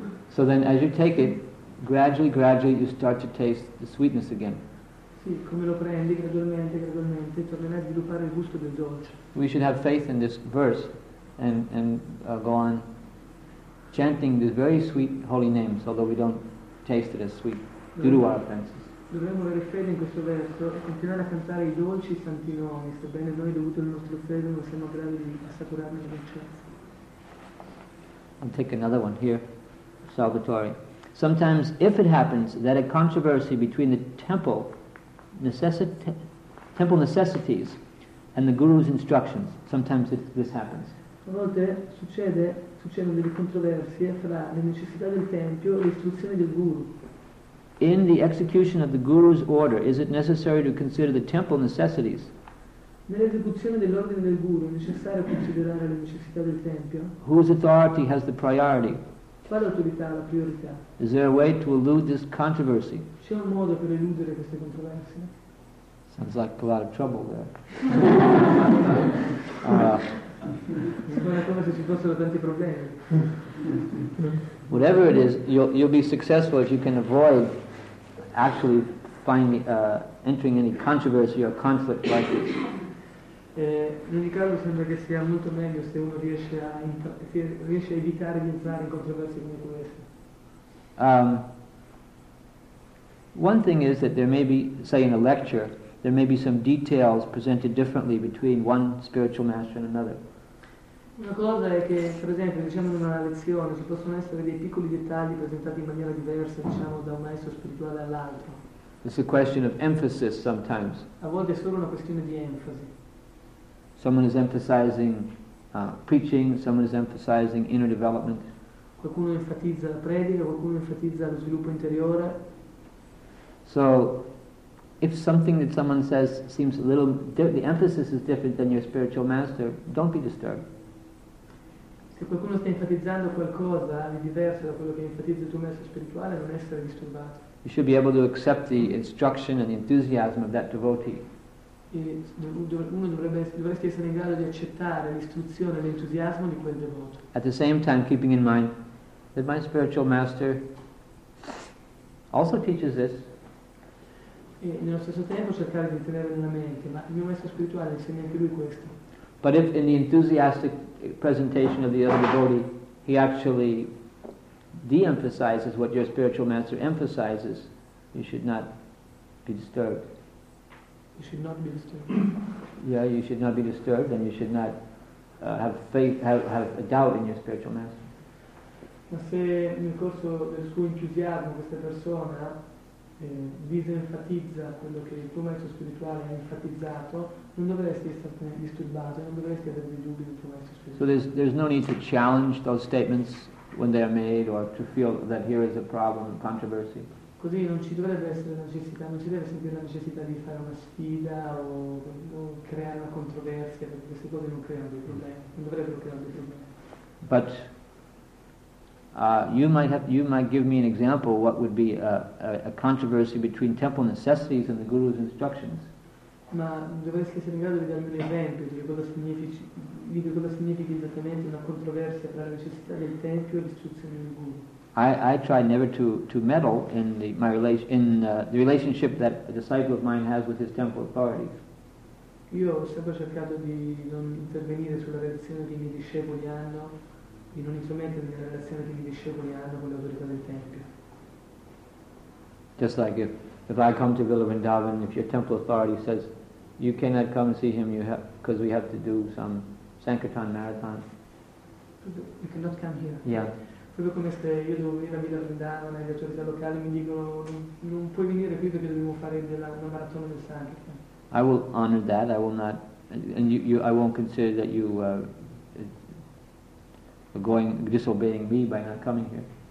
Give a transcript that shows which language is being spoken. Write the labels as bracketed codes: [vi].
[en] So then as you take it, gradually you start to taste the sweetness again. [it] Sì, come lo prendi, gradualmente tornerai a sviluppare il gusto del dolce. [en] We should have faith in this verse and go on chanting these very sweet holy names, although we don't taste it as sweet due to our offenses. [it] Dovremmo avere fede in questo verso e continuare a cantare i dolci santi nomi, sebbene noi dovuto al nostro fede non siamo bravi di assaporarne la dolcezza. [en] I'll take another one here, Salvatore. Sometimes, if it happens that a controversy between the temple necessities and the guru's instructions, sometimes this happens. [it] A volte succedono delle controversie fra le necessità del tempio e le istruzioni del guru. [en] In the execution of the guru's order, is it necessary to consider the temple necessities? [it] Nell'esecuzione dell'ordine del guru è necessario considerare le necessità del tempio. [en] Whose authority has the priority? [it] Quale autorità ha la priorità? [en] Is there a way to elude this controversy? [it] C'è un modo per eludere queste controversie? [en] Sounds like a lot of trouble there. [it] Sembra come se ci fossero tanti problemi. [en] Whatever it is, you'll be successful if you can avoid actually entering any controversy or conflict like this. [it] In ogni caso sembra che sia molto meglio se uno riesce a evitare di entrare in controversie come queste. [en] One thing is that there may be, say in a lecture, there may be some details presented differently between one spiritual master and another. [it] Una cosa è che, per esempio, diciamo in una lezione, ci possono essere dei piccoli dettagli presentati in maniera diversa, diciamo, da un maestro spirituale all'altro. [en] It's a question of emphasis sometimes. [it] A volte è solo una questione di enfasi. [en] Someone is emphasizing preaching, someone is emphasizing inner development. [it] Qualcuno enfatizza la predica, qualcuno enfatizza lo sviluppo interiore. [en] So, if something that someone says seems a little, the emphasis is different than your spiritual master, don't be disturbed. [it] Se qualcuno sta enfatizzando qualcosa di diverso da quello che enfatizza il tuo maestro spirituale, non essere disturbato. [en] You should be able to accept the instruction and the enthusiasm of that devotee. [it] Uno dovresti essere in grado di accettare l'istruzione e l'entusiasmo di quel devoto. [en] At the same time, keeping in mind that my spiritual master also teaches this. [it] E nello stesso tempo cercare di tenere nella mente, ma il mio maestro spirituale insegna anche lui questo. [en] But if in the enthusiastic presentation of the other devotee, he actually de-emphasizes what your spiritual master emphasizes, you should not be disturbed. You should not be disturbed. Yeah, you should not be disturbed, and you should not have faith, have a doubt in your spiritual master. [it] Ma se nel corso del suo entusiasmo questa persona disenfatizza quello che il tuo maestro spirituale ha enfatizzato, non dovresti essere disturbato, non dovresti avere dei dubbi del tuo maestro spirituale. [en] So there's no need to challenge those statements when they are made, or to feel that here is a problem, a controversy. [it] Così non ci dovrebbe essere la necessità, non ci deve sentire la necessità di fare una sfida o creare una controversia, perché queste cose non creano dei problemi, non dovrebbero creare dei problemi. [en] But you might give me an example of what would be a controversy between temple necessities and the guru's instructions. [it] Ma dovresti essere in grado di darmi un esempio di cosa significa esattamente una controversia tra la necessità del tempio e l'istruzione del guru. [en] I try never to meddle in the relationship that a disciple of mine has with his temple authorities. [it] Io ho sempre cercato di non intervenire sulla relazione che i miei discepoli hanno, di non intromettermi nella relazione che i miei discepoli hanno con le autorità del tempio. [en] Just like if I come to Villa Vrindavan, if your temple authority says you cannot come and see him, you have, because we have to do some Sankirtan marathon. You cannot come here. Yeah. [it] Proprio come se io devo venire a Villa Vrindavan e le autorità locali mi dicono non puoi venire qui perché dobbiamo fare una maratona del Sankirtan. [en] I will honor that. I will not, and you I won't consider that you going disobeying me by not coming here.